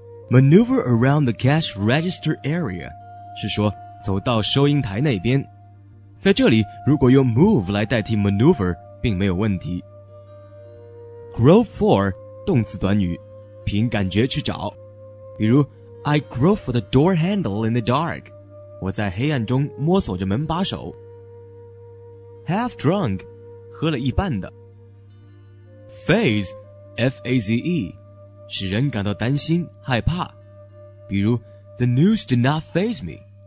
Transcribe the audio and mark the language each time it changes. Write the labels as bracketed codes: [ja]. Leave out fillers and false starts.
[en] Maneuver around the cash register area [zh] 是说走到收银台那边，在这里如果用 move 来代替 maneuver 并没有问题。 [en] Grope for [zh] 动词短语，凭感觉去找，比如 [en] I grope for the door handle in the dark. [zh] 我在黑暗中摸索着门把手。 [en] Half drunk, [zh] 喝了一半的。 [en] Faze, F-A-Z-E, [zh] 使人感到担心、害怕。比如 [en] The news did not faze me.